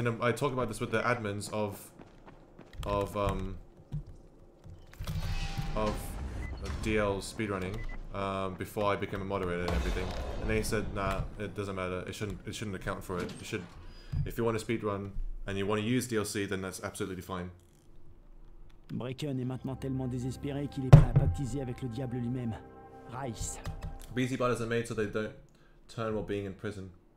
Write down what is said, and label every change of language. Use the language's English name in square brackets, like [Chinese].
[English] And I talk about this with the admins of DL speedrunning before I became a moderator and everything. And they said, nah, it doesn't matter, it shouldn't account for it. It should, if you want to speedrun and you want to use DLC, then that's absolutely fine. [French] Brecken est maintenant tellement désespéré qu'il est prêt à baptiser avec le diable lui-même, Rice. [English] Busy bodies are made so they don't turn while being in prison.